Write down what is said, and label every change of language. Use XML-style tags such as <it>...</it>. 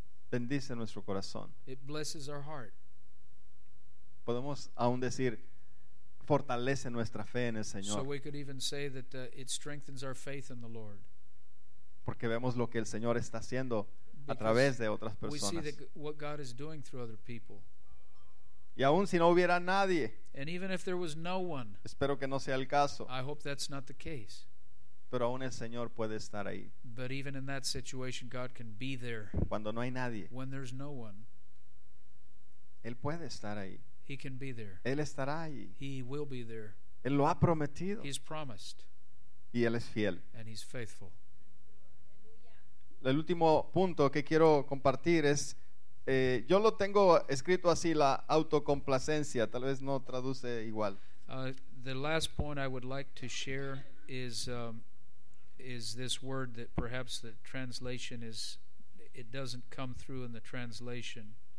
<es>Bendice nuestro corazón.</es> <en>It blesses our heart.</en> <es>Podemos aún decir, fortalece nuestra fe en el Señor.</es> <en>So we could even say that it strengthens our faith in the Lord.</en> <es>Porque vemos lo que el Señor está haciendo</es> <en>because</en> <es>a través de otras personas.</es> <en>We see that what God is doing through other people.</en> <es>Y aún si no hubiera nadie,</es> <en>and even if there was no one,</en> <es>espero que no sea el caso.</es> <en>I hope that's not the case.</en> <es>Pero aún el Señor puede estar ahí.</es> <en>But even in that situation, God can be there.</en> <es>Cuando no hay nadie,</es> <en>when there's no one,</en> <es>Él puede estar ahí.</es> <en>He can be there.</en> <es>Él estará ahí.</es> <en>He will be there.</en> <es>Él lo ha prometido.</es> <en>He's promised.</en> <es>Y Él es fiel.</es> <en>And He's faithful.</en> <es>El último punto que quiero compartir es, yo lo tengo escrito así, la autocomplacencia, tal vez no traduce igual.</es> <en>The last point I would like to share is this word that perhaps the translation is, it doesn't come through in the translation.</en>